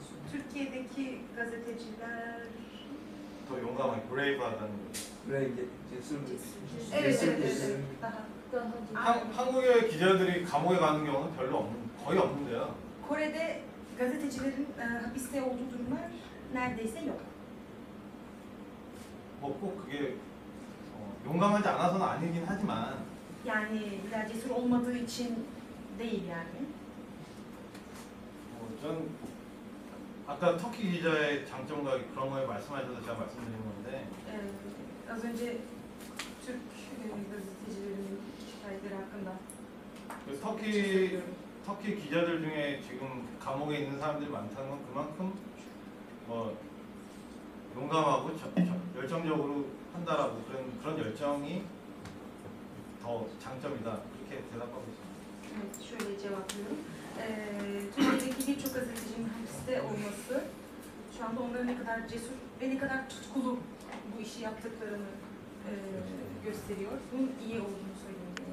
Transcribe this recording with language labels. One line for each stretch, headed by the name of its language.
Korean: 터키에대기
Turkish: gazeteciler
Korean: 더 용감한 brave하다는
English: brave
Korean: 예술 한국의 기자들이 감옥에 가는 경우는 별로 없는 거의 없는데요.
Turkish: 코레데 gazetecilerin hapiste olduğu durumlar neredeyse yok.
Korean: 뭐 꼭 그게 용감하지 않아서는 아니긴 하지만
Turkish: yani biraz cesur olmadığı için değil yani.
Korean: 전 아까 터키 기자의 장점과 그런 거에 말씀하셔서 제가 말씀드린 건데
Turkish: az önce Türk gazetecilerin şikayetleri hakkında
Korean: 터키 기자들 중에 지금 감옥에 있는 사람들이 많다는 건 그만큼 뭐 용감하고 열정적으로 한다라고 그런 열정이 더 장점이다 이렇게 대답하고 있습니다. 네,
Turkish: şöyle cevap veriyorum. Türkiye'deki birçok gazetecinin hapiste olması şu anda onların ne kadar cesur ve ne kadar tutkulu bu işi yaptıklarını gösteriyor. Bunun iyi olduğunu söyleyeyim.